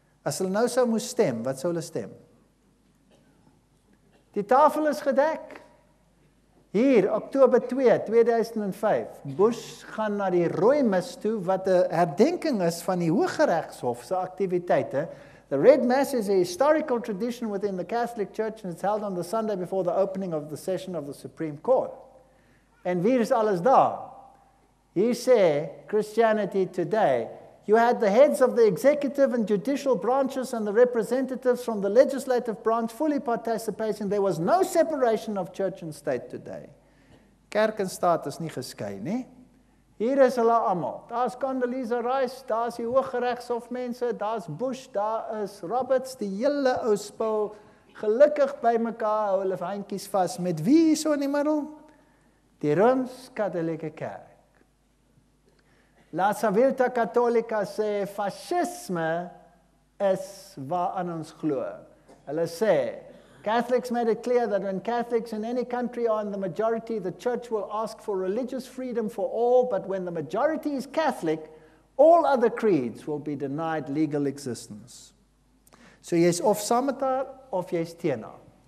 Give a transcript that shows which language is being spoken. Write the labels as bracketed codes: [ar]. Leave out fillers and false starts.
[af] As hulle nou sou moes stem, wat sou hulle stem? Die tafel is gedek. Hier, Oktober 2, 2005, Bush gaan na die rooi mis toe, wat 'n herdenking is van die Hooggeregshof se aktiwiteite. [en] The Red Mass is a historical tradition within the Catholic Church and it's held on the Sunday before the opening of the session of the Supreme Court. [af] En wie is alles daar? [en] He said, Christianity Today, you had the heads of the executive and judicial branches and the representatives from the legislative branch fully participating. There was no separation of church and state today. [af] Kerk en staat is nie geskei nie. Hier is hulle allemaal. Daar is Condoleezza Rice, daar is die Hooggeregshof mense, daar is Bush, daar is Roberts, die hele ou spul. Gelukkig by mekaar hou hulle handjies vas. Met wie is so in die middel? Die Rooms-Katolieke Kerk. La Civiltà Cattolica sê, fascisme is waaraan ons glo. Hulle sê, [en] Catholics made it clear that when Catholics in any country are in the majority, the church will ask for religious freedom for all, but when the majority is Catholic, all other creeds will be denied legal existence. [af] So jy is of saam met haar, of jy is teen haar.